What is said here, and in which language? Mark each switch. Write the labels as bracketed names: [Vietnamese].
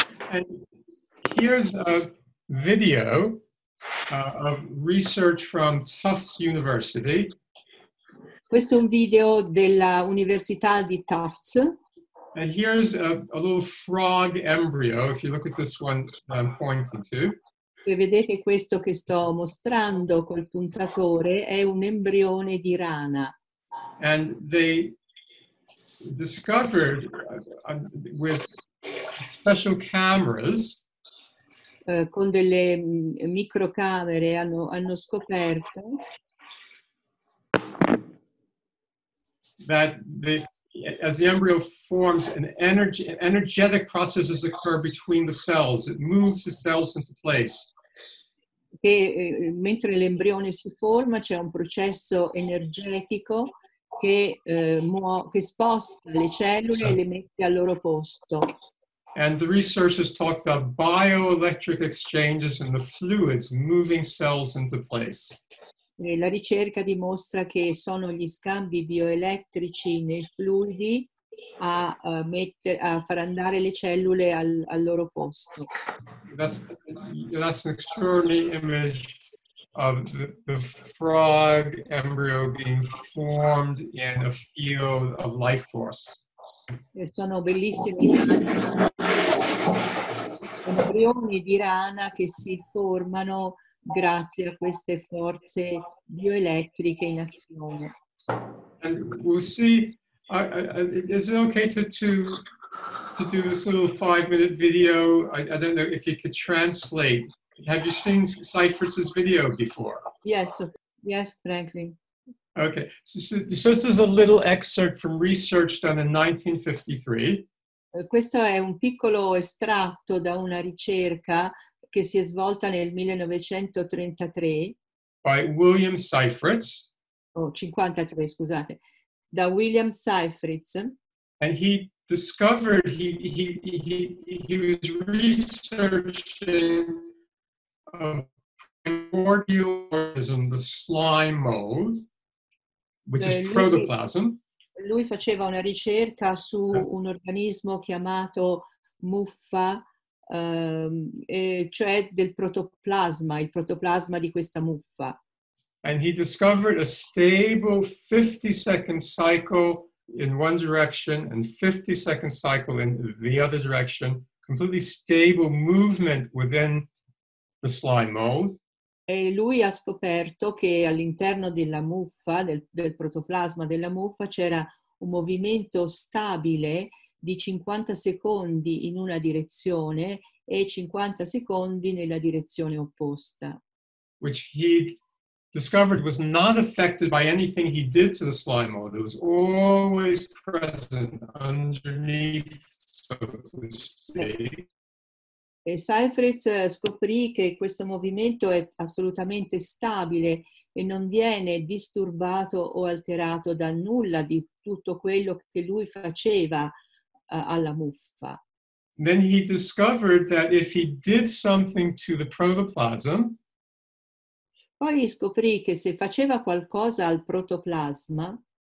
[English] And here's a video of research from Tufts University. [Italian] Questo è un video della Università di Tufts. [English] And here's a little frog embryo, if you look at this one that I'm pointing to. [Italian] Se vedete questo che sto mostrando col puntatore, è un embrione di rana. [English] And they discovered with special cameras. [Italian] Con delle microcamere hanno scoperto. [English] That the... As the embryo forms, energetic processes occur between the cells. It moves the cells into place. [Italian] E mentre l'embrione si forma, c'è un processo energetico che sposta le cellule e le mette al loro posto. [English] And the researchers talked about bioelectric exchanges and the fluids moving cells into place. [Italian] La ricerca dimostra che sono gli scambi bioelettrici nei fluidi a far andare le cellule al loro posto. [English] That's an extraordinary image of the frog embryo being formed in a field of life force. [Italian] Sono bellissimi rana. Sono rioni di rana che si formano grazie a queste forze bioelettriche in azione. [English] And we'll see, is it okay to do this little 5-minute video? I don't know if you could translate. Have you seen Seifert's video before? Yes, Franklin. Okay, so this is a little excerpt from research done in 1953. [Italian] Questo è un piccolo estratto da una ricerca che si è svolta nel 1933. [English] By William Seifert's. [Italian] Oh, 53, scusate. Da William Seifert's. [English] And he discovered, he was researching a primordial organism, the slime mold, which is protoplasm. [Italian] Lui faceva una ricerca su un organismo chiamato muffa, cioè del protoplasma, il protoplasma di questa muffa. [English] And he discovered a stable 50-second cycle in one direction and 50-second cycle in the other direction, completely stable movement within the slime mold. [Italian] E lui ha scoperto che all'interno della muffa, del protoplasma della muffa, c'era un movimento stabile di 50 secondi in una direzione e 50 secondi nella direzione opposta. [English] Which he discovered was not affected by anything he did to the slime mold. It was always present underneath, so to speak. [Italian] E Seifert scoprì che questo movimento è assolutamente stabile e non viene disturbato o alterato da nulla di tutto quello che lui faceva alla muffa. [English] Then he discovered that if he did something to the protoplasm, [Italian] poi scoprì che se faceva qualcosa al protoplasma,